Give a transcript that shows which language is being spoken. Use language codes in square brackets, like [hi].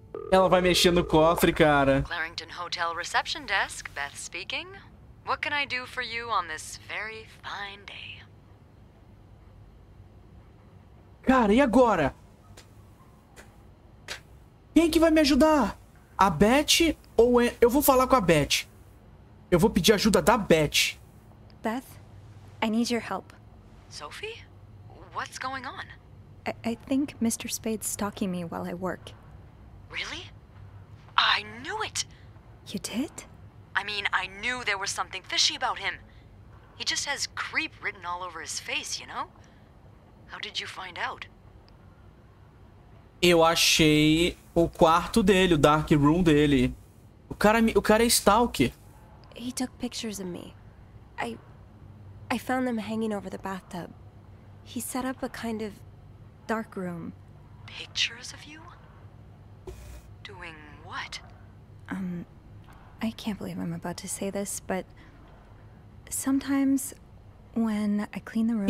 [pt] Ela vai mexer no cofre, cara. [en] Clarington Hotel Reception Desk, Beth speaking. What can I do for you on this very fine day? [pt] Cara, e agora? Quem que vai me ajudar? A Beth ou é... eu vou falar com a Beth. Eu vou pedir ajuda da Beth. [en] Beth, I need your help. Sophie? What's going on? I think Mr. Spade's stalking me while I work. Really? I knew it. You did? I mean, I knew there was something fishy about him. He just has creep written all over his face, you know? How did you find out? [pt] Eu achei o quarto dele, o dark room dele. O cara é stalker. [en] He took pictures of me. I found them hanging over the bathtub. He set up a kind of dark room. Pictures of you? Doing what? I can't believe I'm about to say this, but sometimes when I clean the rooms,